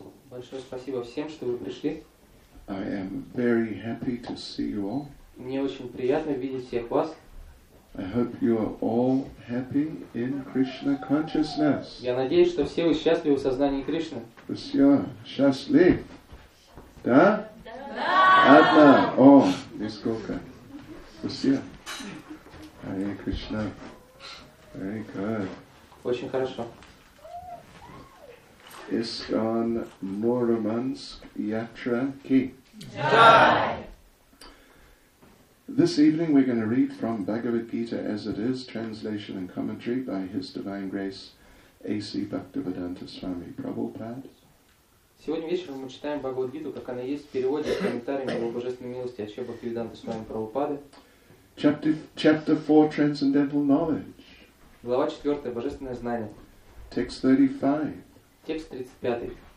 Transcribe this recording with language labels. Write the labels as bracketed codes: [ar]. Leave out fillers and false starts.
[ru] Большое спасибо всем, что вы пришли. [en] I am very happy to see you all. [ru] Мне очень приятно видеть всех вас. [en] I hope you are all happy in Krishna consciousness. [ru] Я надеюсь, что все вы счастливы в сознании Кришны. Все счастливы. Да? Да! Одна! О, несколько. Спасибо. Hare Krishna. [en] Very good. [ru] Очень хорошо. ISKCON Murmansk Yatra Ki. Jai! [en] This evening we're going to read from Bhagavad Gita as it is, translation and commentary by His Divine Grace A.C. Bhaktivedanta Swami Prabhupada. [ru] Сегодня вечером мы читаем Бхагавад-гиту, как она есть, в переводе с комментариями его божественной милости от Ачарьи Бхактивиданты Свами Прабхупады. [en] Chapter 4, Transcendental Knowledge. [ru] Глава 4, Божественное знание. [en] Text 35. [ru] Текст 35.